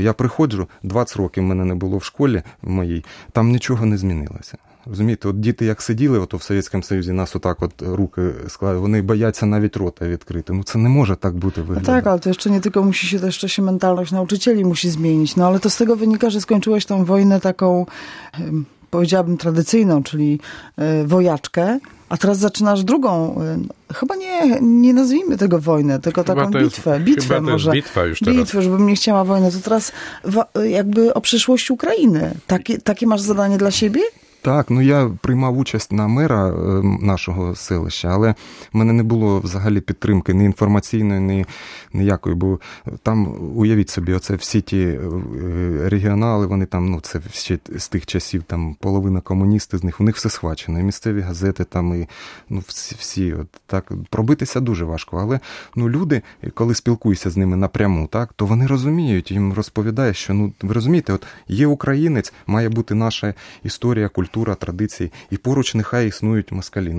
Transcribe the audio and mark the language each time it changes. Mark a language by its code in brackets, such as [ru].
[uk] Я приходжу, 20 років мене не було в школі в моїй, там нічого не змінилося. Розумієте, от діти як сиділи от в Совєтському Союзі, нас отак от руки складали, вони бояться навіть рота відкрити. Ну це не може так бути виглядати. Так, але то ще не тільки мусиш, то ще ще ментальність навчителі мусить змінити. Ну але то з того виніка, що скінчилась там війна таку, [pl] powiedziałabym tradycyjną, czyli wojaczkę, a teraz zaczynasz drugą, chyba nie nazwijmy tego wojnę, tylko chyba taką bitwę. Jest, bitwę chyba może. To jest bitwa już teraz. Bitwę, żebym nie chciała wojny. To teraz jakby o przyszłość Ukrainy. Takie masz zadanie dla siebie? [uk] Так, ну я приймав участь на мера нашого селища, але в мене не було взагалі підтримки ні інформаційної, ні ніякої, бо там, уявіть собі, оце всі ті регіонали, вони там, ну це всі з тих часів, там половина комуністів з них, у них все схвачено, і місцеві газети там, і ну всі, от так, пробитися дуже важко, але, ну люди, коли спілкуюся з ними напряму, так, то вони розуміють, їм розповідає, що, ну ви розумієте, от є українець, має бути наша історія, культура, традиції, і поруч нехай існують москалі.